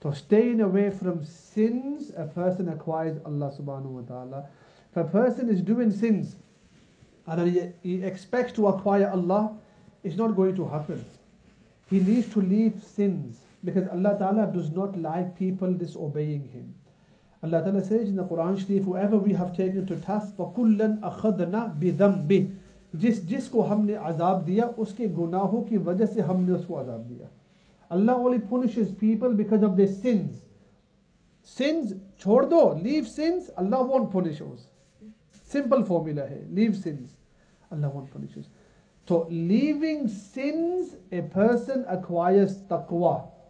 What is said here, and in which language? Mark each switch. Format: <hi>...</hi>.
<en>To staying away from sins, a person acquires Allah Subhanahu wa Ta'ala. If a person is doing sins and then he expects to acquire Allah, it's not going to happen. He needs to leave sins, because Allah Ta'ala does not like people disobeying Him. Allah Ta'ala says in the Quran Sharif, whoever we have taken to task,</en> <ar>فَكُلًّا أَخَذْنَا بِذَنْبِهِ,</ar> <ur>جس کو ہم نے عذاب دیا اس کے گناہوں کی وجہ سے ہم نے اس کو عذاب دیا.</ur> <en>Allah only punishes people because of their sins. Sins,</en> <ur>چھوڑ دو,</ur> <en>leave sins, Allah won't punish us. Simple formula ہے, leave sins, Allah won't punish us. So leaving sins, a person acquires taqwa.</en>